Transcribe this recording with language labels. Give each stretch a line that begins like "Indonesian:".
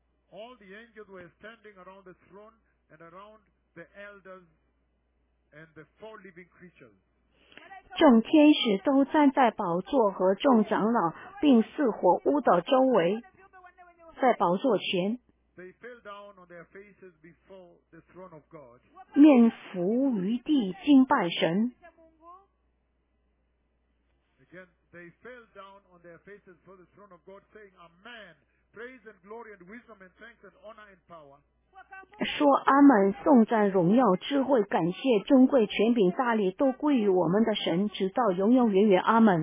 English: All the angels were standing around the throne and around the elders and the four living creatures.
Chinese: 众天使都站在宝座和众长老并四活物的周围，在宝座前。
English: They fell down on their faces before the throne of God.
Chinese: 面伏于地敬拜神。
English: Again, they fell down on their faces before the throne of God, saying, "Amen, praise and glory and wisdom and thanks and honor and power."
Chinese: 说阿门，颂赞、荣耀、智慧、感谢、尊贵、权柄、大力，都归于我们的神，直到永永远远。阿门。